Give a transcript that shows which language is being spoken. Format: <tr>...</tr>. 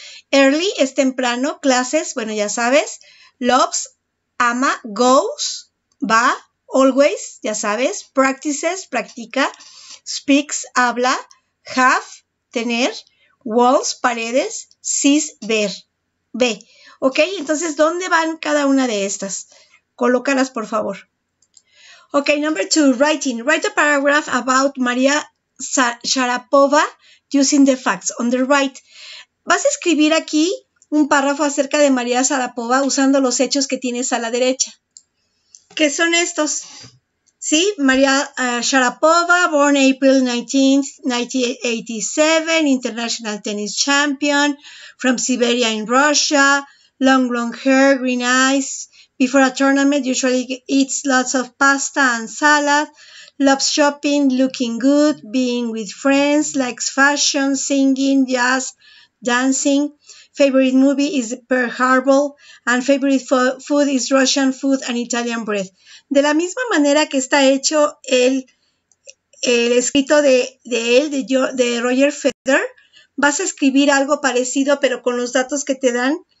<es>Early es temprano, clases, bueno, ya sabes, loves, ama, goes, va, always, ya sabes, practices, practica, speaks, habla, have, tener, walls, paredes, sees, ver, ve. Ok, entonces, ¿dónde van cada una de estas? Colócalas, por favor.</es> <en>Ok, number two, writing. Write a paragraph about Maria Sharapova using the facts on the right.</en> <es>Vas a escribir aquí un párrafo acerca de María Sharapova usando los hechos que tienes a la derecha. ¿Qué son estos? Sí,</es> <en>María Sharapova, born April 19th, 1987, international tennis champion, from Siberia in Russia, long hair, green eyes, Before a tournament, usually eats lots of pasta and salad, loves shopping, looking good, being with friends, likes fashion, singing, jazz, dancing. Favorite movie is Pearl Harbor, and favorite food is Russian food and Italian bread.</en> <es>De la misma manera que está hecho el escrito de Roger Federer, vas a escribir algo parecido, pero con los datos que te dan.</es>